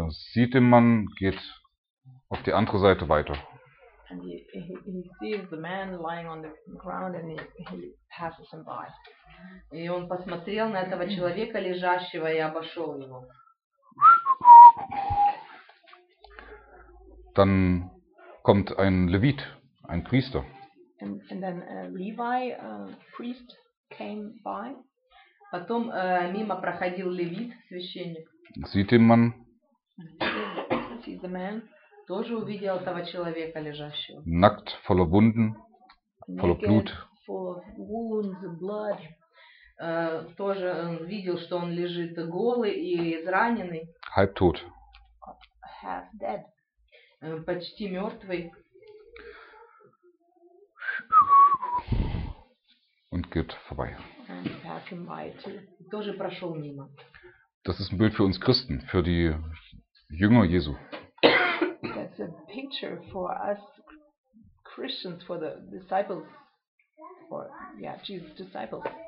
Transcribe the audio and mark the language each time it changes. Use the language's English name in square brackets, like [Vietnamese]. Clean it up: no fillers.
[German] Sieht den Mann, geht auf die andere Seite weiter. [English] And he sees the man lying on the ground and he passes him by. [Russian] И он посмотрел на этого человека лежащего и обошел его. [German] Dann kommt ein Levit, ein Priester. [English] And then a Levi, a priest, came by. [Russian] Потом мимо проходил Левит, священник. [German] Sieht den Mann. [English] See the man. [Russian] Тоже увидел этого человека лежащего. [German] Nackt, voller Wunden, voller Blut. [English] Full of wounds, blood. [Russian] Тоже видел, что он лежит голый и израненный. [German] Halb tot. [English] Half dead. [Russian] Почти мертвый. [German] Und geht vorbei. [English] And pass him by too. [Russian] Тоже прошел мимо. [German] Das ist ein Bild für uns Christen, für die Jünger Jesu. [English] That's a picture for us Christians, for the disciples, for yeah, Jesus' disciples.